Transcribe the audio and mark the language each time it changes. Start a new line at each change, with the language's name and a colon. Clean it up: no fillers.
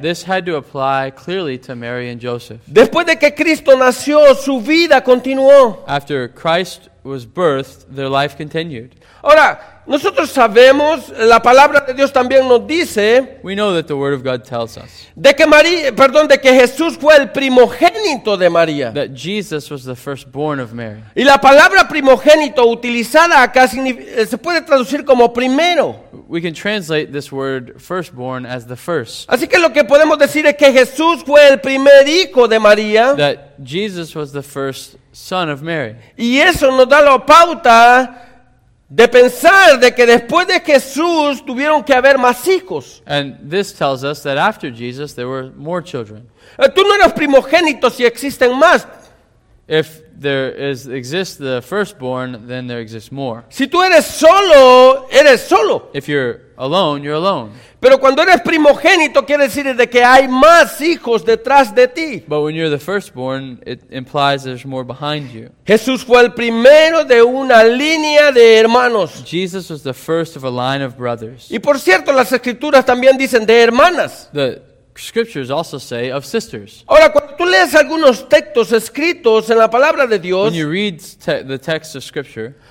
English: This had to apply clearly to Mary and Joseph.
Spanish: Después de que Cristo nació, su vida continuó.
English: After Christ was birthed, their life continued.
Spanish: Ahora, nosotros sabemos, la palabra de Dios también nos dice,
English: we know that the word of God tells us,
Spanish: de que Jesús fue el primogénito de María.
English: That Jesus was the firstborn of Mary.
Spanish: Y la palabra primogénito utilizada acá se puede traducir como primero.
English: We can translate this word firstborn as the first.
Spanish: Así que lo que podemos decir es que Jesús fue el primer hijo de María.
English: That Jesus was the first son of Mary.
Spanish: Y eso nos da la pauta de pensar de que después de Jesús tuvieron que haber más hijos.
English: And this tells us that after Jesus there were more children.
Spanish: Tú no eres primogénito si existen más.
English: If there exists the firstborn, then there exists more.
Spanish: Si tú eres solo, eres solo.
English: If you're alone, you're alone.
Spanish: Pero cuando eres primogénito quiere decir de que hay más hijos detrás de ti.
English: But when you're the firstborn, it implies there's more behind you.
Spanish: Jesús fue el primero de una línea de hermanos.
English: Jesus was the first of a line of brothers.
Spanish: Y por cierto, las escrituras también dicen de hermanas.
English: The scriptures also say of sisters.
Spanish: Ahora, cuando tú lees algunos textos escritos en la palabra de Dios,
English: when you read the text of scripture,